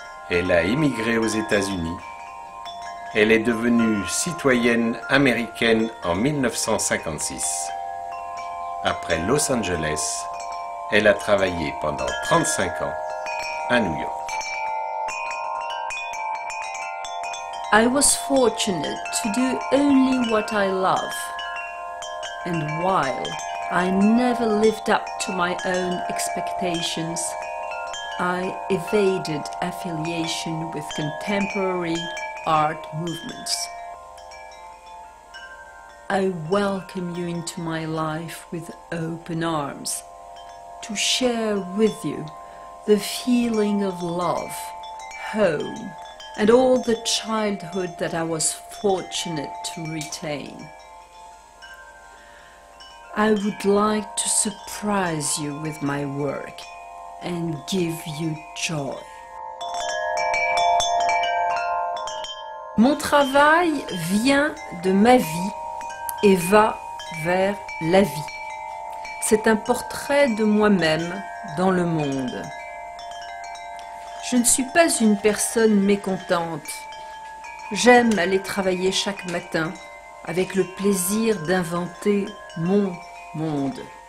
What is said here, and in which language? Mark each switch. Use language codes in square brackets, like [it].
[fr] Elle a émigré aux États-Unis. Elle est devenue citoyenne américaine en 1956. Après Los Angeles, elle a travaillé pendant 35 ans à New York. [en] I was fortunate to do only what I love. And while I never lived up to my own expectations, I evaded affiliation with contemporary art movements. I welcome you into my life with open arms, to share with you the feeling of love, home, and all the childhood that I was fortunate to retain. I would like to surprise you with my work and give you joy. [fr] Mon travail vient de ma vie et va vers la vie. C'est un portrait de moi-même dans le monde. Je ne suis pas une personne mécontente. J'aime aller travailler chaque matin avec le plaisir d'inventer mon monde.